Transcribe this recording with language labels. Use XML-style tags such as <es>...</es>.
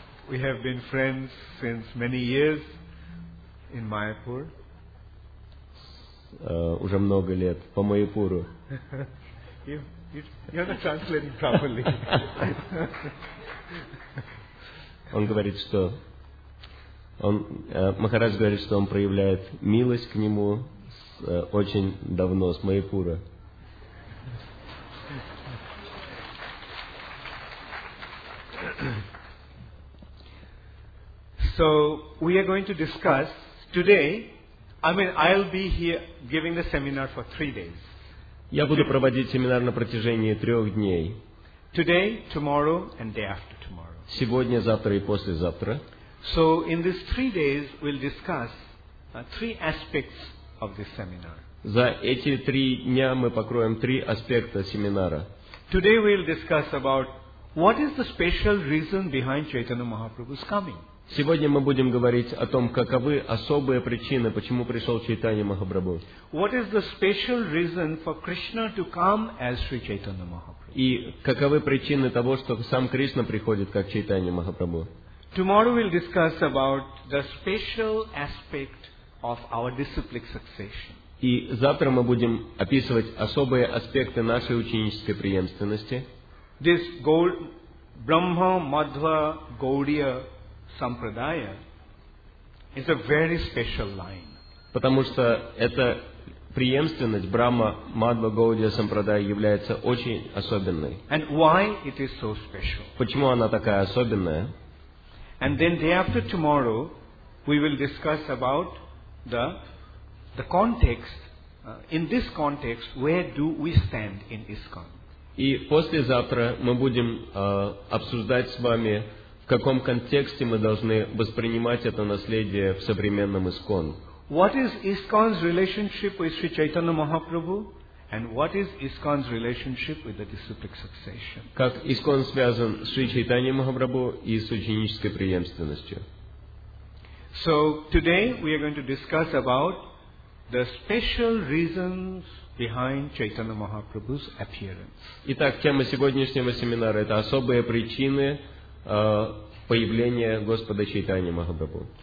<en>We have been friends since many years in Mayapur.</en> <ru>Уже много лет по Майяпуру.</ru> <en>You're not translating properly.</en> <ru>Он говорит, что он Махарадж говорит, что он проявляет милость к нему очень давно с Майяпура.</ru> <en>So we are going to discuss today. I mean, I'll be here giving the seminar for 3 days.</en> <ru>Я буду проводить семинар на протяжении 3 дней.</ru> <en>Today, tomorrow, and day after tomorrow.</en> <ru>Сегодня, завтра и послезавтра.</ru> <en>So in these 3 days, we'll discuss 3 aspects of this seminar.</en> <ru>За эти 3 дня мы покроем 3 аспекта семинара.</ru> <en>Today we'll discuss about what is the special reason behind Chaitanya Mahaprabhu's coming.</en> <ru>Сегодня мы будем говорить о том, каковы особые причины, почему пришел Чайтанья Махапрабху.</ru> <en>What is the special reason for Krishna to come as Sri Chaitanya Mahaprabhu?</en> <ru>И каковы причины того, что сам Кришна приходит как Чайтанья Махапрабху?</ru> <en>Tomorrow we'll discuss about the special aspect of our disciplic succession.</en> <ru>И завтра мы будем описывать особые аспекты нашей ученической преемственности.</ru> <en>This gold, Brahma, Madhva, Gaudiya. Sampradaya is a very special line.</en> <ru>Потому что эта преемственность Брахма, Мадва, Гаудия, Сампрадая является очень особенной.</ru> <en>And why it is so special?</en> <ru>Почему она такая особенная?</ru> <en>And then day after tomorrow, we will discuss about the context. In this context, where do we stand in ISKCON?</en> <ru>И послезавтра мы будем обсуждать с вами. В каком контексте мы должны воспринимать это наследие в современном ИСКОН?</ru> <en>What is ISKCON's relationship with Sri Chaitanya Mahaprabhu, and what is ISKCON's relationship with the disciplic succession?</en> <ru>Как ИСКОН связан с Шри Чайтаньей Махапрабху и с ученической преемственностью?</ru> <en>So today we are going to discuss about the special reasons behind Chaitanya Mahaprabhu's appearance.</en> <ru>Итак, тема сегодняшнего семинара — это особые причины. Появление Господа Чайтаньи Махапрабху.</ru>